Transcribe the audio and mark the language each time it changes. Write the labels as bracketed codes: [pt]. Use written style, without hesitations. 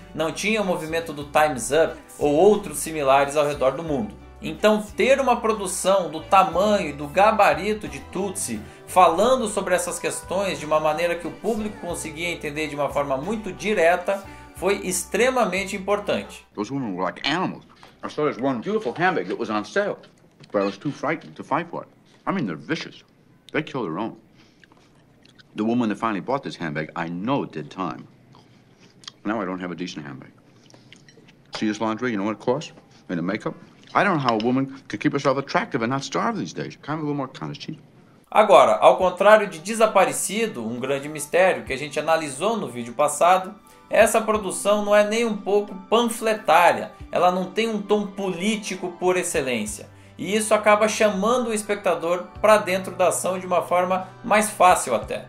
[pt] Não tinha o movimento do Time's Up ou outros similares ao redor do mundo. Então, ter uma produção do tamanho e do gabarito de Tootsie falando sobre essas questões de uma maneira que o público conseguia entender de uma forma muito direta foi extremamente importante. [en] Those women were like animals. I saw this one beautiful handbag that was on sale. but I was too frightened to fight for it. I mean, they're vicious. They kill their own. The woman that finally bought this handbag, I know, did time. Now I don't have a decent handbag. See this laundry, you know what it costs? And the makeup? I don't know how a woman can keep herself attractive and not starve these days. Kind of a little more kind of cheap. [pt] Agora, ao contrário de Desaparecido, um grande mistério que a gente analisou no vídeo passado, essa produção não é nem um pouco panfletária, ela não tem um tom político por excelência. E isso acaba chamando o espectador para dentro da ação de uma forma mais fácil até.